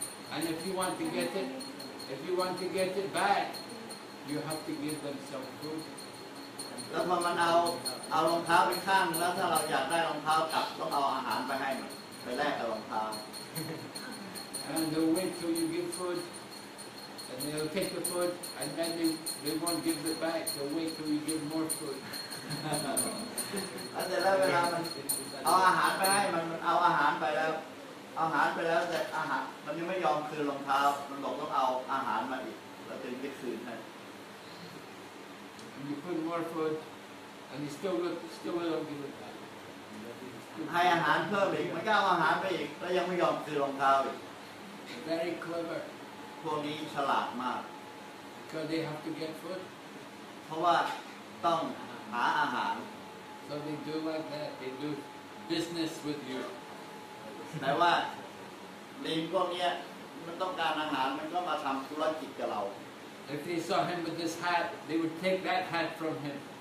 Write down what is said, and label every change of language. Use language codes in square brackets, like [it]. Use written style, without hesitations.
[en] And if you want to get it, if you want to get it back, you have to give them some food. [th] แล้วพอมันเอารองเท้าไปข้างแล้วถ้าเราอยากได้รองเท้ากลับต้องเอาอาหารไปให้มันไปแลกกับรองเท้า [en] And they wait till you give food and they'll take the food and then they won't give it back they wait till you give more food [th] แต่แล้วเวลามันเอาอาหารไปให้มันเอาอาหารไปแล้วเอาอาหารไปแล้วแต่อาหารมันยังไม่ยอมคืนรองเท้ามันบอกต้องเอาอาหารมาอีกแล้วถึงจะคืนให้ [en] And you put more food, and he still won't give it back. [th] ให้อาหารเพิ่มอีกมันก็เ อาอาหารไปอีกแล้วยังไม่ยอมคืนรองเท้าอีก [en] Very clever. [th] พวกนี้ฉลาดมาก [en] Because they have to get food. [th] เพราะว่าต้องหาอาหาร [en] So they do like that. They do business with you. [th] แต่ว่าลิงพวกนี้มันต้องการอาหารมันก็มาทำธุรกิจกับเรา [en] If they saw him with this hat, they would take that hat from him.